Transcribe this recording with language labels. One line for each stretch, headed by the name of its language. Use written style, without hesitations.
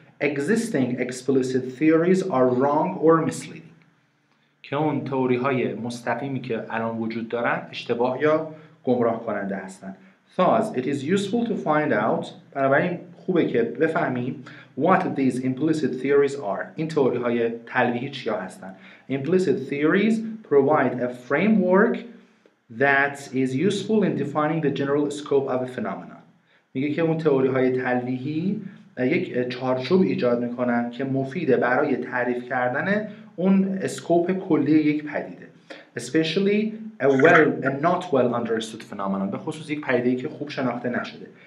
English: existing explicit theories are wrong or misleading.
Persian: که اون تئوری‌های مستقیمی که الان وجود دارن اشتباه یا گمراه کننده هستن.
English: Thus, it is useful to find out,
Persian: بنابراین خوبه که بفهمیم
English: what these implicit theories are.
Persian: این تئوری‌های تلویحی چیا هستن.
English: Implicit theories provide a framework that is useful in defining the general scope of a phenomenon.
Persian: میگه که اون تئوری‌های تلویحی یک چارچوب ایجاد میکنن که مفیده برای تعریف کردن اون اسکوپ کلی یک پدیده.
English: Especially a well and not well understood phenomenon.
Persian: به خصوص یک پدیده‌ای که خوب شناخته نشده.